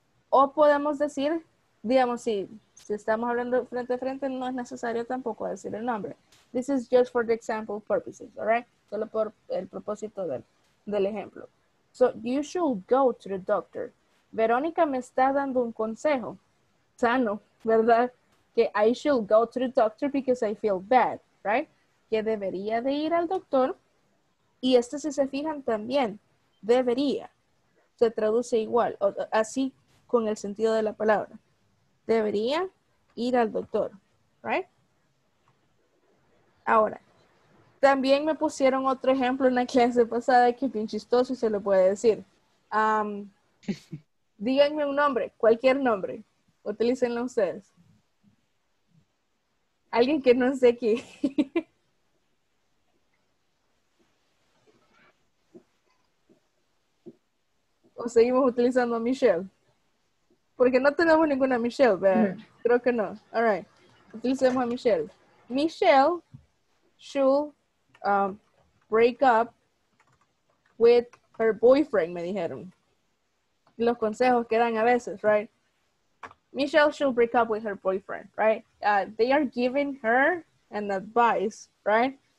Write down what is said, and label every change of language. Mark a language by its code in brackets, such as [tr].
[es] O podemos decir, digamos, si estamos hablando frente a frente, no es necesario tampoco decir el nombre. [en] This is just for the example purposes, all right? [es] Solo por el propósito del ejemplo. [en] So you should go to the doctor. [es] Verónica me está dando un consejo sano, ¿verdad? [en] Que I should go to the doctor because I feel bad, right? [es] Que debería de ir al doctor. Y esto, si se fijan, también debería. Se traduce igual, o, así con el sentido de la palabra. Debería ir al doctor, right? Ahora, también me pusieron otro ejemplo en la clase pasada que es bien chistoso y se lo puede decir. díganme un nombre, cualquier nombre. Utilícenlo ustedes. Alguien que no esté aquí. ¿O seguimos utilizando a Michelle? Porque no tenemos ninguna Michelle, pero creo que no. [en] All right. [es] Utilicemos a Michelle. [en] Michelle should break up with her boyfriend, [es] me dijeron. Los consejos que dan a veces, [en] right? Michelle should break up with her boyfriend, right? They are giving her an advice, right?